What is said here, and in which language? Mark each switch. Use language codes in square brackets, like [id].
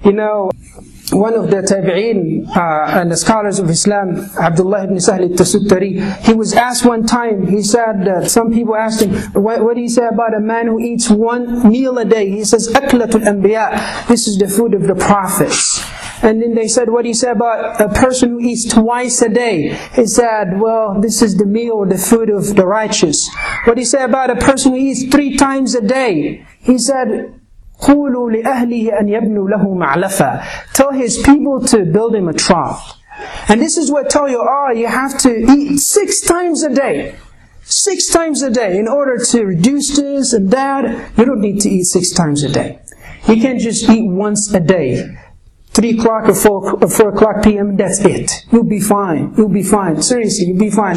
[en] You know, one of the tabi'een and the scholars of Islam, Abdullah ibn Sahl al-Tasuttari, he was asked one time, he said, some people asked him, what do you say about a man who eats one meal a day? He says, [ar] أَكْلَةُ الْأَنْبِيَاءِ. [en] This is the food of the prophets. And then they said, what do you say about a person who eats twice a day? He said, well, this is the meal, the food of the righteous. What do you say about a person who eats three times a day? He said, [ar] قُولُوا لِأَهْلِهِ أَنْ يَبْنُوا لَهُ مَعْلَفًا. [en] Tell his people to build him a trough. And this is what tell you, you have to eat six times a day. 6 times a day in order to reduce this and that. You don't need to eat 6 times a day. You can't just eat once a day. 3 o'clock or 4 o'clock p.m., that's it. You'll be fine. You'll be fine. Seriously, you'll be fine.